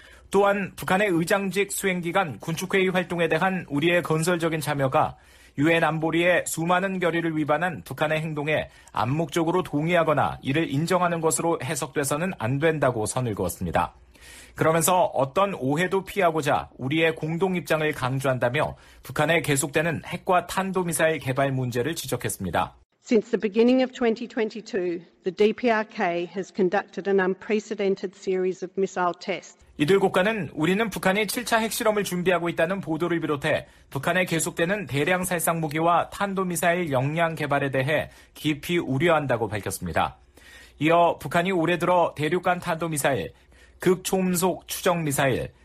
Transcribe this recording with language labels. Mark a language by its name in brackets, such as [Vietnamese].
[Korean] 또한 북한의 의장직 수행기간 군축회의 활동에 대한 우리의 건설적인 참여가 유엔 안보리의 수많은 결의를 위반한 북한의 행동에 암묵적으로 동의하거나 이를 인정하는 것으로 해석돼서는 안 된다고 선을 그었습니다. 그러면서 어떤 오해도 피하고자 우리의 공동 입장을 강조한다며 북한의 계속되는 핵과 탄도미사일 개발 문제를 지적했습니다. [English] Since the beginning of 2022, the DPRK has conducted an unprecedented series of missile tests. [Korean] 이들 국가는 우리는 북한이 7차 핵실험을 준비하고 있다는 보도를 비롯해 북한의 계속되는 대량 살상 무기와 탄도미사일 역량 개발에 대해 깊이 우려한다고 밝혔습니다. 이어 북한이 올해 들어 대륙간 탄도미사일, 극초음속 추정미사일,